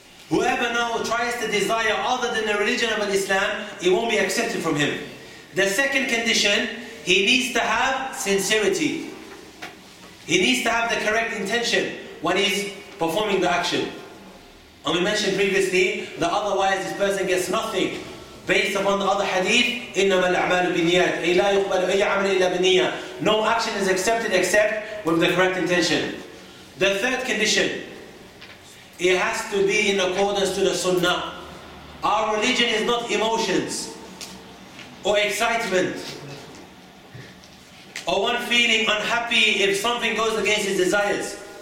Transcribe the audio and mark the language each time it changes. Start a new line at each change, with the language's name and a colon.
English: Whoever now tries to desire other than the religion of Islam, it won't be accepted from him. The second condition, he needs to have sincerity. He needs to have the correct intention when he's performing the action. And we mentioned previously that otherwise this person gets nothing. Based upon the other hadith,
Arabic: إِنَّمَا الْأَعْمَالُ بِنِيَاتِ إِلَّا يُقْبَلُ أَيَّ عَمَلِ إِلَّا بِنِيَّةِ.
English: No action is accepted except with the correct intention. The third condition, it has to be in accordance to the sunnah. Our religion is not emotions or excitement or one feeling unhappy if something goes against his desires.